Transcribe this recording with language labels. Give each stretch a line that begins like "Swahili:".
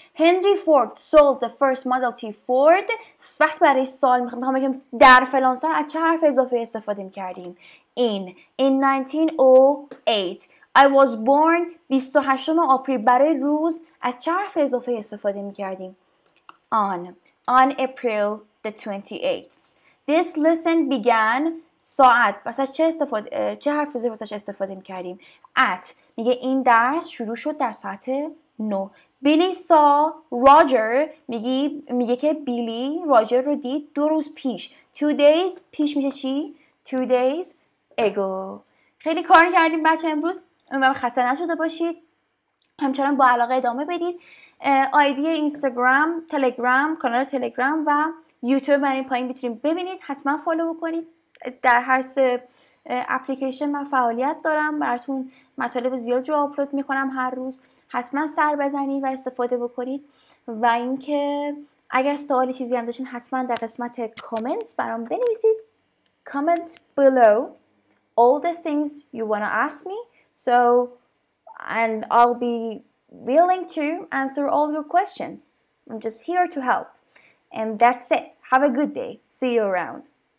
English: Henry Ford sold the first Model T Ford.
Persian: وقت برای سال میخوام بگم در فلان سال از چه حرف اضافه استفاده میکردیم.
English: In 1908 I was born.
Persian: 28 آپریل برای روز از چه حرف اضافه استفاده میکردیم.
English: On April the 28th This lesson began
Persian: ساعت. پس از چه حرف اضافه استفاده میکردیم؟
English: At.
Persian: میگه این درس شروع شد در ساعت 9.
English: Billy saw Roger.
Persian: میگه که بیلی راجر رو دید 2 روز پیش.
English: 2 days.
Persian: پیش میشه چی؟
English: 2 days ago.
Persian: خیلی کار کردیم بچه امروز. امیدوارم خسته نشده باشید. همچنان با علاقه ادامه بدید. آیدی اینستاگرام، تلگرام، کانال تلگرام و یوتیوب من این پایین میتونید ببینید. حتما فالو بکنید. در هر سه اپلیکیشن من فعالیت دارم. براتون مطالب زیاد رو آپلود میکنم هر روز. حتما سر بزنید و استفاده بکنید. و اینکه اگر سوالی چیزی هم داشتین حتما در قسمت کامنت برام بنویسید.
English: Comment below all the things you wanna ask me. So and I'll be willing to answer all your questions. I'm just here to help. And that's it. Have a good day. See you around.